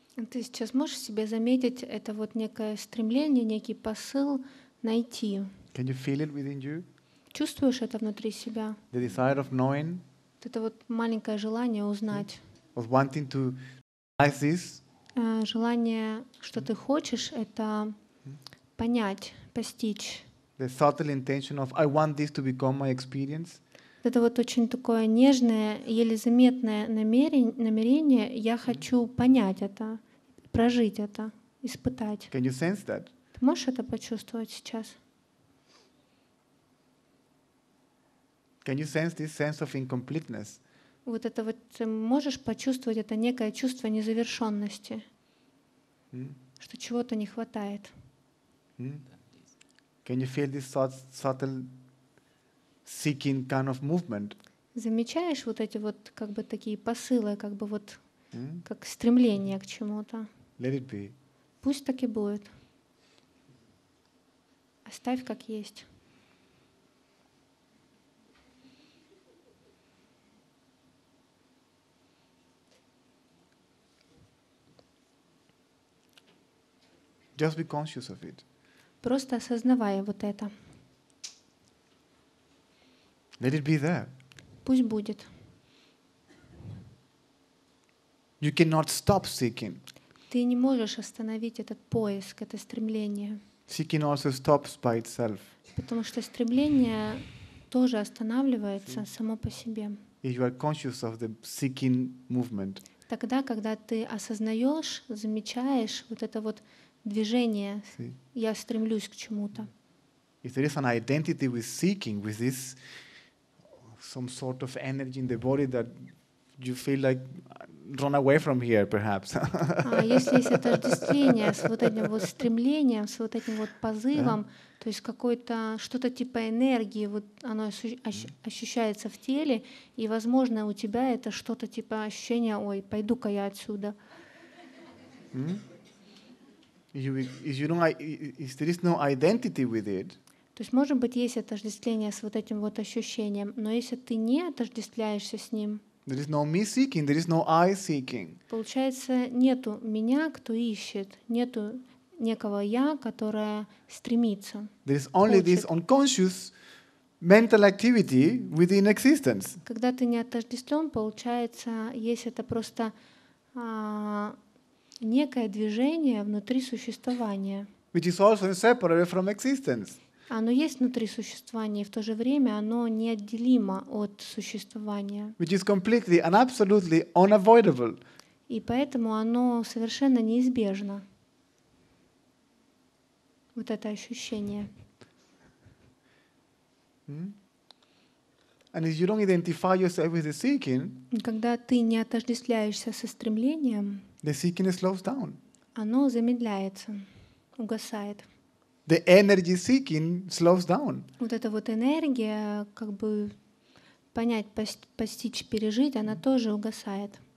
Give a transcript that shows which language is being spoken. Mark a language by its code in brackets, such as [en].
[ru] Ты сейчас можешь себе заметить это вот некое стремление, некий посыл найти? [en] Can you feel it within you? [ru] Чувствуешь это внутри себя? [en] The desire of knowing? [ru] Это вот маленькое желание узнать. [en] Of wanting to realize this? [ru] Желание, что ты хочешь, это понять, постичь. [en] The subtle intention of I want this to become my experience. [ru] Это вот очень такое нежное, еле заметное намерение. Я хочу понять это, прожить это, испытать. [en] Can you sense that? [ru] Ты можешь это почувствовать сейчас? [en] Can you sense this sense of incompleteness? [ru] Вот это вот ты можешь почувствовать это некое чувство незавершенности, что чего-то не хватает. [en] Can you feel this subtle seeking kind of movement? [ru] Замечаешь вот эти вот как бы такие посылы, как бы вот как стремление к чему-то? [en] Let it be. [ru] Пусть так и будет. Оставь как есть. [en] Just be conscious of it. [ru] Просто осознавая вот это. [en] Let it be there. [ru] Пусть будет. [en] You cannot stop seeking. [ru] Ты не можешь остановить этот поиск, это стремление. [en] Seeking also stops by itself. [ru] Потому что стремление тоже останавливается само по себе. [en] If you are conscious of the seeking movement. [ru] Тогда, когда ты осознаешь, замечаешь вот это вот движение, я стремлюсь к чему-то. [en] If there is an identity with seeking, with this some sort of energy in the body that you feel like run away from here, perhaps. [ru] Если есть отождествление с вот этим вот стремлением, с вот этим вот позывом, то есть какое-то что-то типа энергии, вот оно ощущается в теле, и, возможно, у тебя это что-то типа ощущения, ой, пойду-ка я отсюда. [en] If there is no identity with it. [ru] То есть, может быть, есть отождествление с вот этим вот ощущением, но если ты не отождествляешься с ним, [en] there is no me seeking, there is no I seeking. [ru] Получается, нету меня, кто ищет, нету некого я, которое стремится. [en] There is only [ru] хочет. [en] This unconscious mental activity within existence. [ru] Когда ты не отождествлен, получается, есть это просто некое движение внутри существования. [en] Which is also inseparable from existence. [ru] Оно есть внутри существования, и в то же время оно неотделимо от существования. [en] Which is completely and absolutely unavoidable. [ru] И поэтому оно совершенно неизбежно. Вот это ощущение. [en] And if you don't identify yourself with the seeking, [ru] когда ты не отождествляешься со стремлением, [en] the seeking slows down. [ru] Оно замедляется, угасает. [en] The energy seeking slows down. [ru] Вот эта вот энергия, как бы понять, постичь, пережить, она тоже угасает.